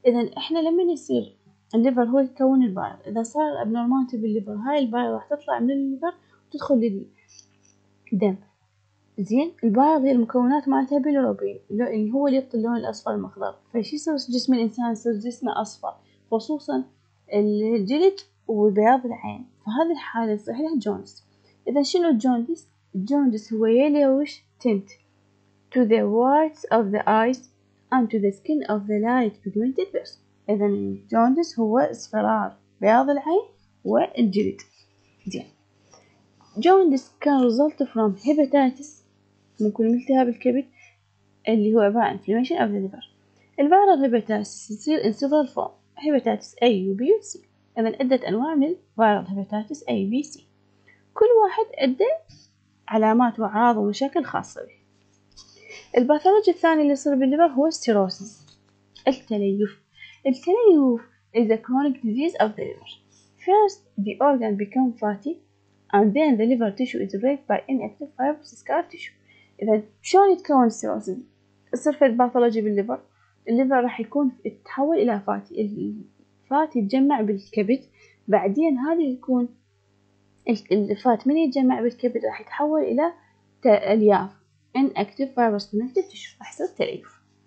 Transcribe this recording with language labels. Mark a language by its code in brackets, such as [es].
[ar] إذن إحنا لما يصير الليفر هو يكون البايل، إذا صار abnormality بالليفر هاي البايل راح تطلع من الليفر وتدخل للدم. زين، البايل هي المكونات مالتها بيلروبين اللي هو اللي يعطي اللون الأصفر المخضر. فشي يصير جسم الإنسان؟ يصير جسمه أصفر، خصوصا الجلد وبياض العين. فهذه الحالة تصير لها جوندس. إذا شنو الجوندس؟ الجوندس هو [en] yellowish tint to the whites of the eyes and to the skin of the light pigmented person. [ar] إذا الجوندس هو اصفرار بياض العين والجلد. زين، جوندس كان [en] result from hepatitis، [ar] ممكن التهاب الكبد اللي هو عبارة عن [en] inflammation of the liver. [ar] الفيرال هيباتاتس تصير [en] in several form: [ar] هيباتاتس A و B و C. إذا عدة أنواع من الفيرال هيباتاتس A و B و C، كل واحد عدة علامات وأعراض ومشاكل خاصة به. الباثولوجي الثاني اللي يصير بالليفر هو السيروسيس، التليف. [en] التليف is a chronic disease of the liver. First the organ becomes fatty and then the liver tissue is replaced by inactive fibrous scar tissue. [ar] إذا شلون يتكون السيروسيس؟ يصير في الباثولوجي بالليفر، الليفر راح يكون يتحول إلى فاتي، الفاتي يتجمع بالكبد، بعدين هذا يكون الفات من يتجمع بالكبد راح يتحول إلى ألياف [en] inactive fibrous connective tissue، [ar] راح يصير تليف.